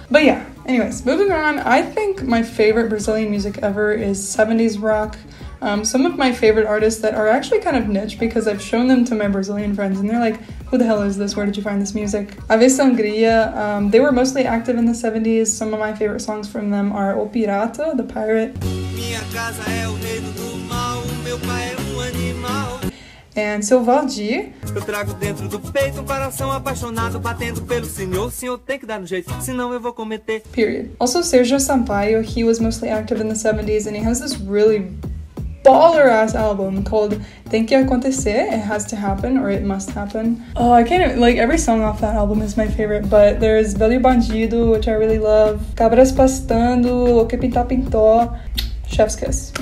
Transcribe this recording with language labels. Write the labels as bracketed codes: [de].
[en] But yeah, anyways, moving on, I think my favorite Brazilian music ever is 70s rock. Some of my favorite artists that are actually kind of niche because I've shown them to my Brazilian friends and they're like, who the hell is this? Where did you find this music? Ave Sangria, they were mostly active in the 70s. Some of my favorite songs from them are O Pirata, the Pirate. [pt] Minha casa é o reino do mal, meu pai é animal. [en] And [pt] Seu Jorge. Eu trago dentro do peito um coração apaixonado batendo pelo senhor. Senhor tem que dar no jeito, senão eu vou cometer. [en] Period. Also, Sergio Sampaio, he was mostly active in the 70s and he has this really baller ass album called Tem Que Acontecer, It Has To Happen or It Must Happen. Oh, I can't even, like, every song off that album is my favorite, but there's Velho Bandido, which I really love, Cabras Pastando, O Que Pintar Pintou, Chef's Kiss.